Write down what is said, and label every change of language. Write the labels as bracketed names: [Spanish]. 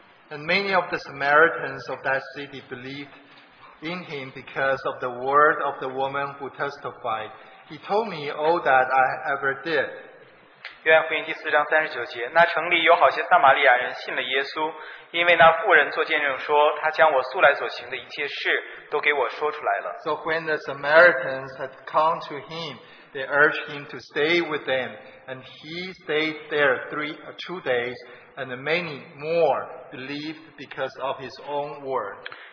[English] And many of the Samaritans of that city believed in him because of the word of the woman who testified. He told me all that I ever did. [Chinese] 约翰福音第4章39节，那城里有好些撒玛利亚人信了耶稣，因为那妇人做见证说，他将我素来所行的一切事都给我说出来了。 [English] So when the Samaritans had come to him, they urged him to stay with them, and he stayed there two days, and many more believed because of his own word.